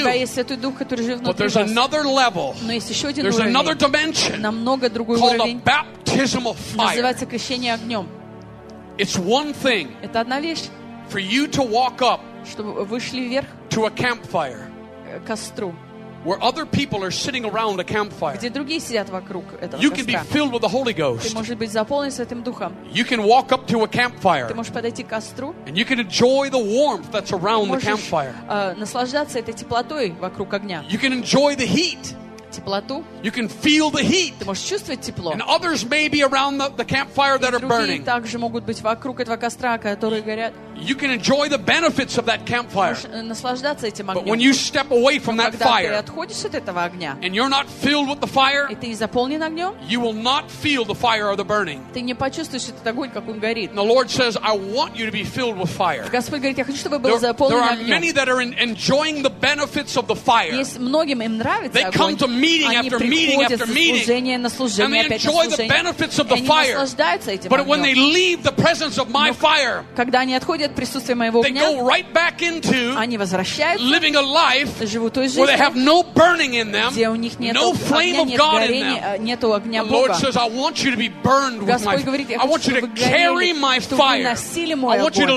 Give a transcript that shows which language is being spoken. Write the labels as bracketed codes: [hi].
[ru] У тебя есть Святой Дух, который живет внутри вас. [en] But there's another level. [ru] Но есть еще один уровень. [en] There's another dimension. [ru] Намного другой уровень. [en] Called a baptism of fire. [ru] Называется крещение огнем. [en] It's one thing for you to walk up to a campfire where other people are sitting around a campfire. You can be filled with the Holy Ghost. You can walk up to a campfire and you can enjoy the warmth that's around the campfire. You can enjoy the heat. You can feel the heat. [ru] Ты можешь чувствовать тепло. [en] And others may be around the campfire that are burning. [ru] Другие также могут быть вокруг этого костра, которые горят. [en] You can enjoy the benefits of that campfire. [ru] Ты можешь наслаждаться этим огнем. [en] But when you step away from that fire, [ru] ты отходишь от этого огня, [en] and you're not filled with the fire, [ru] и ты не заполнен огнем, [en] you will not feel the fire or the burning. [ru] Ты не почувствуешь этот огонь, как он горит. [en] The Lord says, "I want you to be filled with fire." [ru] Господь говорит, я хочу, чтобы был заполнен огнем. [en] There are many that are enjoying the benefits of the fire. [ru] Есть многим им нравится огонь. [en] They come to me. Meeting after meeting after meeting, and they enjoy the benefits of the fire. But when they leave the presence of my fire, [ru] когда они отходят видят присутствие моего огня, [en] right, [ru] они возвращаются, [en] living a life, [ru] живут той жизнью, [en] no them, [ru] где у них нет огня, нет горения, нет огня Бога. Господь говорит, я хочу, чтобы вы горели, чтобы вы носили мой огонь.